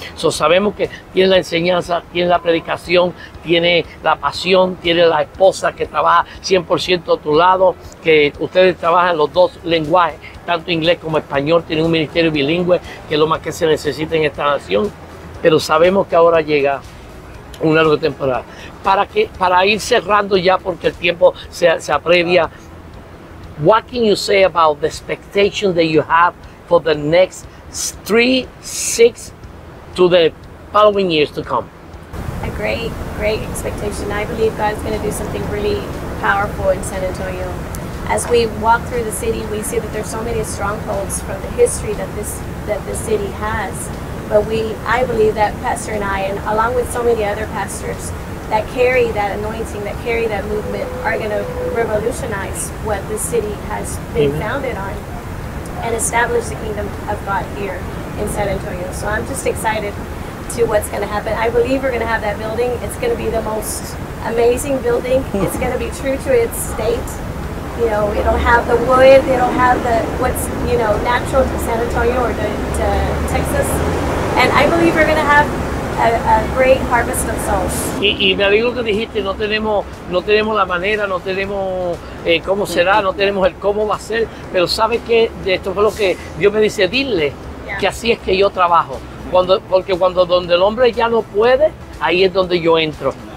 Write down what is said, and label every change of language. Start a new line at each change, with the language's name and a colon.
Spanish: So, sabemos que tiene la enseñanza, tiene la predicación, tiene la pasión, tiene la esposa que trabaja 100% a tu lado, que ustedes trabajan los dos lenguajes, tanto inglés como español, tienen un ministerio bilingüe, que es lo más que se necesita en esta nación, pero sabemos que ahora llega una nueva temporada. Para ir cerrando ya, porque el tiempo se aprevia,
English: what can you say about the expectation that you have for the next 3, 6 to the following years to come? A great, great expectation. I believe God's going to do something really powerful in San Antonio. As we walk through the city, we see that there's so many strongholds from the history that the city has. But I believe that Pastor and I, and along with so many other pastors that carry that anointing, that carry that movement, are going to revolutionize what the city has been founded on and establish the kingdom of God here in San Antonio. So I'm just excited to what's going to happen. I believe we're going to have that building. It's going to be the most amazing building. It's going to be true to its state. You know, it'll have the wood. It'll have the what's, you know, natural to San Antonio or to Texas. And I believe we're going to have a great harvest of souls.
Spanish: Y me alegro que dijiste, no tenemos la manera, no tenemos cómo será, no tenemos el cómo va a ser, pero sabes que esto fue lo que Dios me dice, dile que así es que yo trabajo. Porque donde el hombre ya no puede, ahí es donde yo entro.